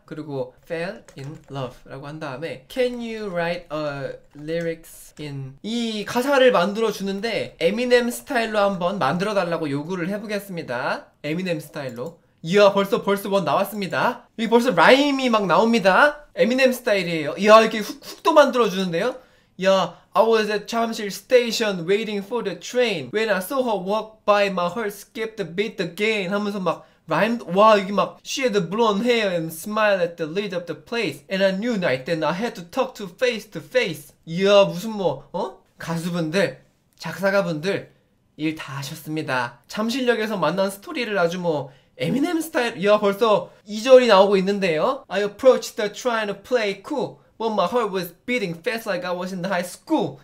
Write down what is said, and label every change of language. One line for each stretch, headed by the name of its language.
Korean: 그리고
English: fell in love
Korean: 라고 한 다음에
English: Can you write a lyrics in
Korean: 이 가사를 만들어주는데 에미넴 스타일로 한번 만들어달라고 요구를 해보겠습니다. 에미넴 스타일로. 이야, 벌써 벌스 1 나왔습니다. 이 벌써 라임이 막 나옵니다. 에미넴 스타일이에요. 이야, 이렇게 훅도 만들어주는데요. 이야,
English: I was at 잠실 station waiting for the train when I saw her walk by my heart skipped a beat again
Korean: 하면서 막 라임도, 와, 이게 막
English: She had blonde hair and smiled at the lid of the place and I knew right then I had to talk to face to face.
Korean: 이야, 무슨 뭐, 어? 가수분들, 작사가분들 일 다 하셨습니다. 잠실역에서 만난 스토리를 아주 뭐 에미넴 스타일. 이야, 벌써 2절이 나오고 있는데요.
English: I approached her trying to play cool but my heart was beating fast like I was in high school.